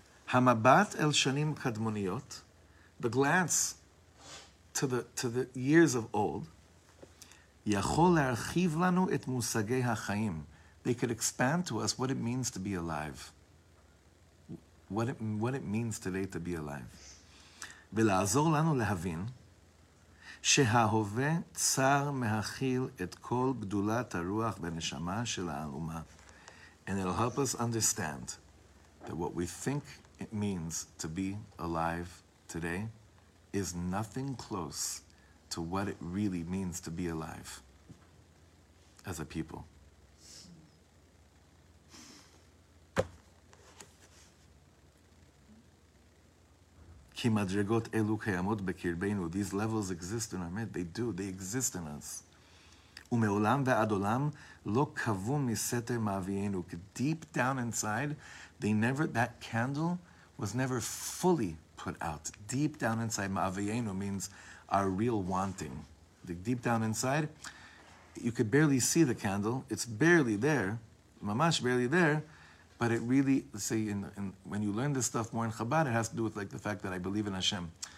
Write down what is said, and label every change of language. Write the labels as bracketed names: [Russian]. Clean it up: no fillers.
[Hebrew] Hamabat el shanim kadmoniot, [English] the glance to the years of old, [Hebrew] yachol erchiv lanu et musagei hachaim, [English] they could expand to us what it means to be alive. What it means today to be alive. [Hebrew] Ve'la'azor lanu lehavin, שההווה צר מהכיל את כל גדולת הרוח והנשמה של האומה. [English] And it'll help us understand that what we think it means to be alive today is nothing close to what it really means to be alive as a people. [Hebrew] כי מדרגות אלו קיימות בקרבנו. [English] These levels exist in our midst. They do. They exist in us. [Hebrew] ומעולם ועד עולם לא קבו מסתר מאביינו. [English] Deep down inside, that candle was never fully put out. Deep down inside, מאביינו means our real wanting. Deep down inside, you could barely see the candle. It's barely there, ממש barely there. But it really, say, in when you learn this stuff more in Chabad, it has to do with like the fact that I believe in Hashem.